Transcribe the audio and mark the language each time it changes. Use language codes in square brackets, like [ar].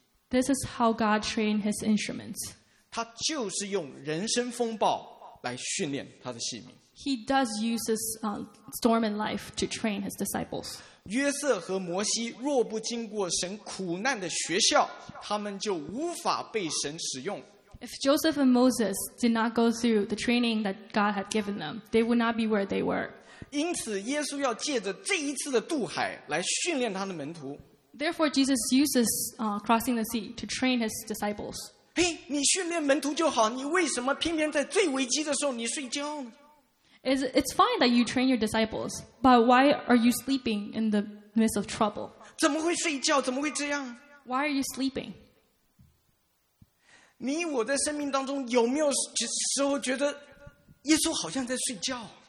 [en] This is how God trained his instruments. [zh] 他就是用人生风暴来训练他的器皿。 [en] He does use his storm in life to train his disciples. [zh] 约瑟和摩西若不经过神苦难的学校，他们就无法被神使用。 [en] If Joseph and Moses did not go through the training that God had given them, they would not be where they were. [zh] 因此，耶稣要借着这一次的渡海来训练他的门徒。 [en] Therefore, Jesus uses crossing the sea to train his disciples. [zh] 嘿，你训练门徒就好，你为什么偏偏在最危机的时候你睡觉呢？ [en] It's fine that you train your disciples, but why are you sleeping in the midst of trouble? [zh] 怎么会睡觉？怎么会这样？ [en] Why are you sleeping? [zh] 你我在生命当中有没有时候觉得耶稣好像在睡觉？